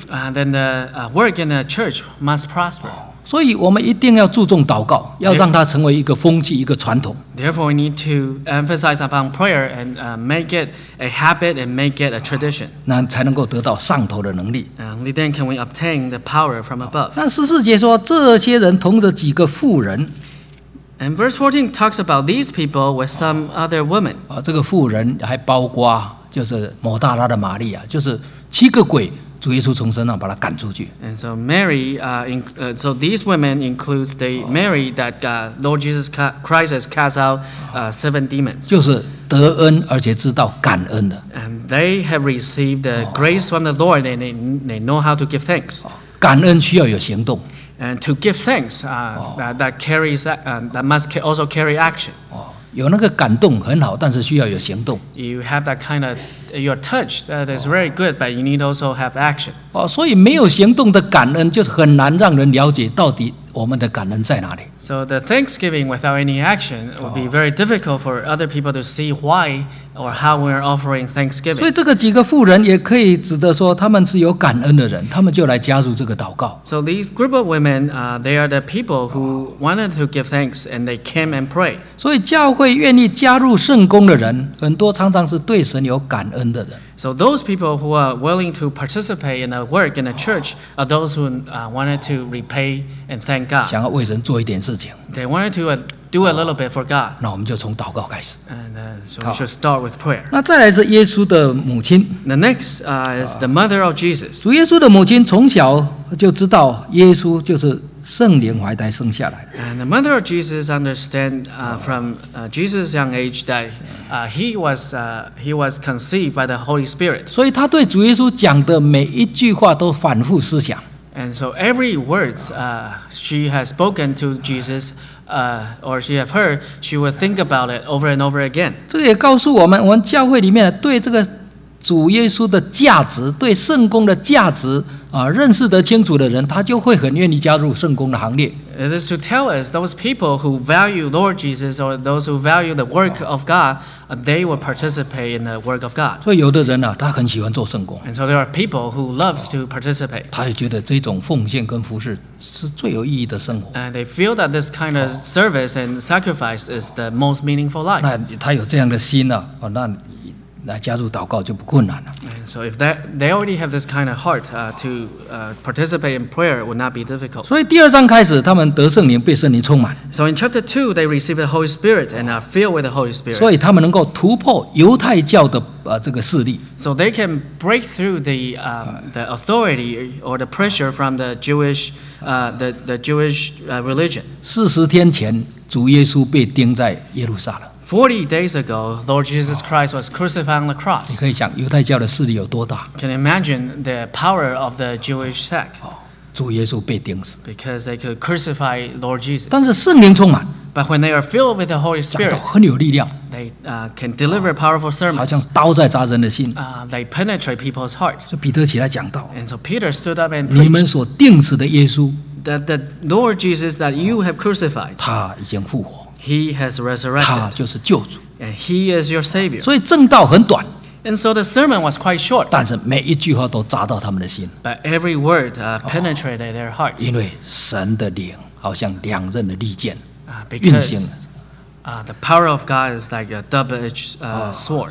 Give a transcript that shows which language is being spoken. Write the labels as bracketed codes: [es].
[en] Then the work in the church must prosper. [zh] 所以我们一定要注重祷告，要让它成为一个风气，一个传统。 [en] Therefore, we need to emphasize upon prayer and make it a habit and make it a tradition. [zh] 那才能够得到上头的能力。 [en] Only then can we obtain the power from above. [zh] 那十四节说，这些人同着几个妇人。 [en] And verse 14 talks about these people with some other women. [zh] 这个妇人还包括就是抹大拉的玛利亚，就是七个鬼。主耶稣从身上把他赶出去。 [en] And so Mary, so these women includes the Mary that Lord Jesus Christ has cast out seven demons. [zh] 就是得恩而且知道感恩的。 [en] And they have received the grace from the Lord, and they know how to give thanks. [zh] 感恩需要有行动。 [en] And to give thanks, that must also carry action. [zh] 有那个感动很好，但是需要有行动。 [en] You have that kind of. Your touch that is very good, but you need also have action. [zh] 所以没有行动的感恩就很难让人了解到底我们的感恩在哪里。 [en] So the thanksgiving without any action would be very difficult for other people to see why or how we are offering thanksgiving. [zh] 所以这个几个妇人也可以指的说他们是有感恩的人，他们就来加入这个祷告。 [en] So these group of women, they are the people who wanted to give thanks and they came and pray. [zh] 所以教会愿意加入圣工的人，很多常常是对神有感恩。 [en] So those people who are willing to participate in the work in the church are those who wanted to repay and thank God. [zh] 想要为人做一点事情。 [en] They wanted to do a little bit for God. [zh] 那我们就从祷告开始。 [en] And so we should start with prayer. [zh] 那再来是耶稣的母亲。 [en] The next is the mother of Jesus. [zh] 主耶稣的母亲从小就知道耶稣就是圣灵怀胎生下来。 [en] And the mother of Jesus understand from Jesus' young age that he was conceived by the Holy Spirit. [zh] 所以他对主耶稣讲的每一句话都反复思想。 [en] And so every words she has spoken to Jesus or she have heard, she will think about it over and over again. [zh] 这也告诉我们教会里面对这个主耶稣的价值，对圣工的价值。认识得清楚的人，他就会很愿意加入圣工的行列。 [en] It is to tell us those people who value Lord Jesus or those who value the work of God, they will participate in the work of God. [zh] 所以有的人呢，他很喜欢做圣工。 [en] And so there are people who loves to participate. [zh] 他也觉得这种奉献跟服事是最有意义的生活。 [en] And they feel that this kind of service and sacrifice is the most meaningful life. [zh] 那他有这样的心呢？那来加入祷告就不困难了。 [en] So if that they already have this kind of heart to participate in prayer, would not be difficult. [zh] 所以第二章开始，他们得圣灵，被圣灵充满。 [en] So in chapter 2, they receive the Holy Spirit and are filled with the Holy Spirit. [zh] 所以他们能够突破犹太教的这个势力。 [en] So they can break through the authority or the pressure from the Jewish Jewish religion. [zh] 40天前，主耶稣被钉在耶路撒冷。 [en] 40 days ago, Lord Jesus Christ was crucified on the cross. [zh] 你可以想犹太教的势力有多大。 [en] Can you imagine the power of the Jewish sect? [zh] 主耶稣被钉死。 [en] Because they could crucify Lord Jesus. [zh] 但是圣灵充满。 [en] But when they are filled with the Holy Spirit, [zh] 讲得很有力量。 [en] They can deliver powerful sermons. [zh] 好像刀在扎人的心。 [en] They penetrate people's heart. [zh] 就彼得起来讲道。 [en] And so Peter stood up and preached. [zh] 你们所钉死的耶稣。 [en] That the Lord Jesus that you have crucified. [zh] 他已经复活。 [en] He has resurrected. [zh] 他就是救主。 [en] And he is your savior. [zh] 所以正道很短。 [en] And so the sermon was quite short. [zh] 但是每一句话都扎到他们的心。 [en] But every word penetrated their heart. [zh] 因为神的灵好像两刃的利剑运行了。 [en] The power of God is like a double-edged sword.